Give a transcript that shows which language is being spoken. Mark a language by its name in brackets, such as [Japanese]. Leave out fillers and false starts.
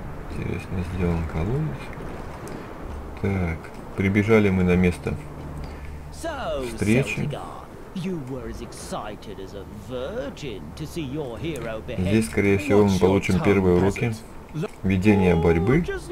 [Russian] Интересно сделан колодец. Так, прибежали мы на место встречи. [English] You were as excited as a virgin to see your hero behave. [Russian] Здесь, скорее всего, мы получим первые уроки ведения борьбы.